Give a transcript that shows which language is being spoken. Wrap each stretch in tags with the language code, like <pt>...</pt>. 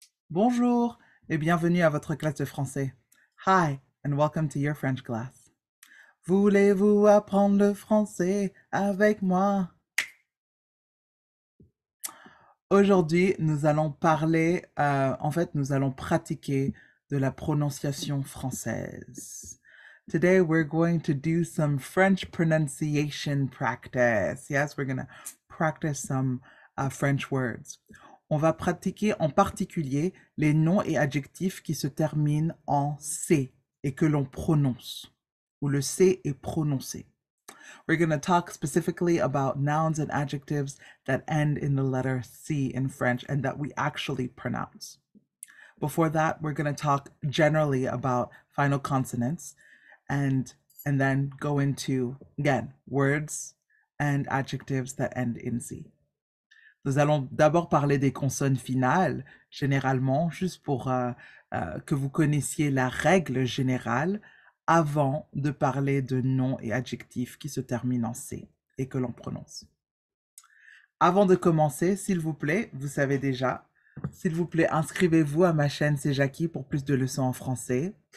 <fr>Bonjour et bienvenue à votre classe de français.</fr> <en>Hi and welcome to your French class.</en> <fr>Voulez-vous apprendre le français avec moi? Aujourd'hui, nous allons parler, nous allons pratiquer de la prononciation française.</fr> <en>Today, we're going to do some French pronunciation practice. Yes, we're going to practice some French words.</en> <fr>On va pratiquer en particulier les noms et adjectifs qui se terminent en C et que l'on prononce, où le C est prononcé.</fr> <en>We're going to talk specifically about nouns and adjectives that end in the letter C in French and that we actually pronounce. Before that, we're going to talk generally about final consonants and then go into, again, words and adjectives that end in C.</en> <fr>Nous allons d'abord parler des consonnes finales, généralement, juste pour que vous connaissiez la règle générale avant de parler de noms et adjectifs qui se terminent en C et que l'on prononce. Avant de commencer, s'il vous plaît, vous savez déjà, s'il vous plaît, inscrivez-vous à ma chaîne C'est Jackie pour plus de leçons en français.</fr>